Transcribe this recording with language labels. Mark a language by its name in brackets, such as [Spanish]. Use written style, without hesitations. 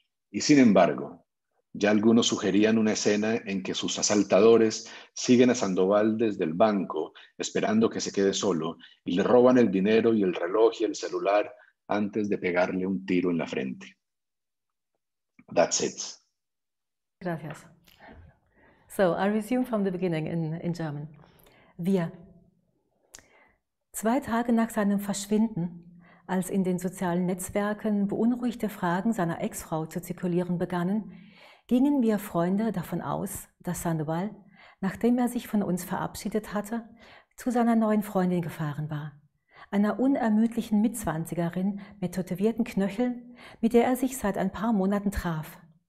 [Spanish] Y sin embargo, ya algunos sugerían una escena en que sus asaltadores siguen a Sandoval desde el banco, esperando que se quede solo, y le roban el dinero y el reloj y el celular antes de pegarle un tiro en la frente. [English] That's it. [Spanish] Gracias. [English] So, I resume from the beginning in German. [German] Wir. Zwei Tage nach seinem Verschwinden, als in den sozialen Netzwerken beunruhigte Fragen seiner Ex-Frau zu zirkulieren begannen, gingen wir Freunde davon aus, dass Sandoval, nachdem er sich von uns verabschiedet hatte, zu seiner neuen Freundin gefahren war, einer unermüdlichen Mitzwanzigerin mit tätowierten Knöcheln, mit der er sich seit ein paar Monaten traf.